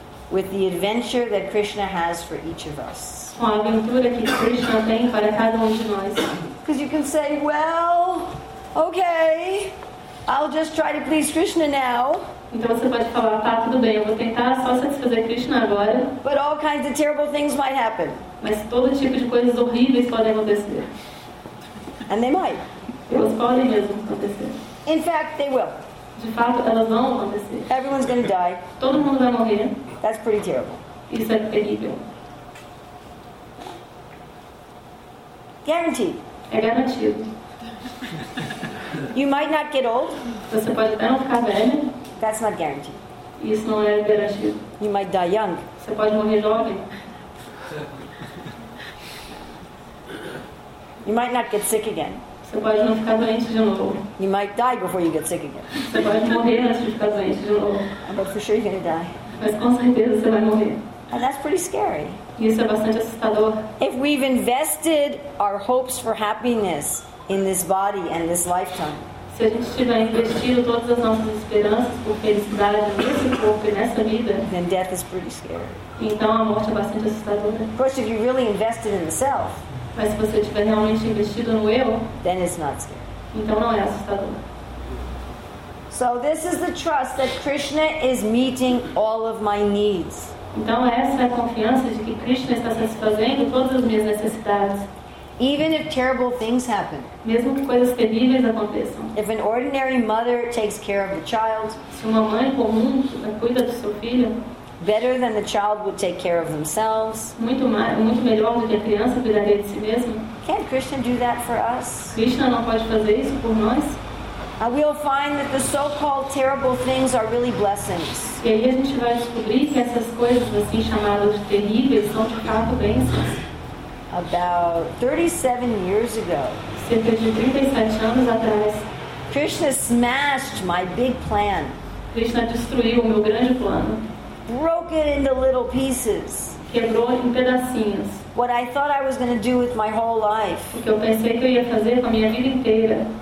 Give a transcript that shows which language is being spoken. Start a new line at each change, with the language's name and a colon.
English: With the adventure that Krishna has for each of us.
Portuguese: Com a aventura que Krishna tem para cada de nós.
English: Because you can say, well, okay, I'll just try to please Krishna now.
Portuguese: Então você pode falar, tá, tudo bem, eu vou tentar só satisfazer Krishna agora.
English: But all kinds of terrible things might happen.
Portuguese: Mas todo tipo de coisas horríveis podem acontecer.
English: And they might.
Portuguese: Elas podem mesmo acontecer.
English: In fact, they will.
Portuguese: De fato, elas vão acontecer.
English: Everyone's going to die.
Portuguese: Todo mundo vai morrer.
English: That's pretty terrible.
Portuguese: Isso é terrível.
English: Guaranteed.
Portuguese: É garantido.
English: You might not get old.
Portuguese: Você pode até não ficar velho.
English: That's not guaranteed.
Portuguese: Isso não é garantido.
English: You might die young.
Portuguese: Você pode morrer jovem.
English: You might not get sick again.
Portuguese: Você pode não ficar doente de novo.
English: You might die before you get sick again.
Portuguese: Você pode morrer antes de ficar doente de novo.
English: But for sure you're going to die.
Portuguese: Mas com certeza você vai morrer.
English: And that's pretty scary.
Portuguese: Isso é bastante assustador.
English: If we've invested our hopes for happiness in this body and this lifetime.
Portuguese: Se a gente tiver investido todas as nossas esperanças por felicidade nesse corpo e nessa vida,
English: then death is pretty scary.
Portuguese: Então a morte é bastante assustadora.
English: Of course, if you really invested in the self,
Portuguese: mas se você tiver realmente investido no eu,
English: then it's not scary.
Portuguese: Então não é assustador.
English: So this is the trust that Krishna is meeting all of my needs.
Portuguese: Então essa é a confiança de que Krishna está satisfazendo todas as minhas necessidades.
English: Even if terrible things happen.
Portuguese: Mesmo que coisas terríveis aconteçam.
English: If an ordinary mother takes care of the child.
Portuguese: Se uma mãe comum cuida do seu filho.
English: Better than the child would take care of themselves.
Portuguese: Muito melhor do que a criança cuidaria de si mesma.
English: Can't Krishna do that for us?
Portuguese: Krishna não pode fazer isso por nós?
English: We'll find that the so-called terrible things are really blessings.
Portuguese: E aí a gente vai descobrir que essas coisas assim chamadas terríveis são de fato bênçãos.
English: About 37 years ago,
Portuguese: cerca de 37 anos atrás,
English: Krishna smashed my big plan.
Portuguese: Krishna destruiu o meu grande plano.
English: Broke it into little pieces.
Portuguese: Quebrou em pedacinhos.
English: What I thought I was going to do with my whole life.
Portuguese: O que eu pensei que eu ia fazer com a minha vida inteira.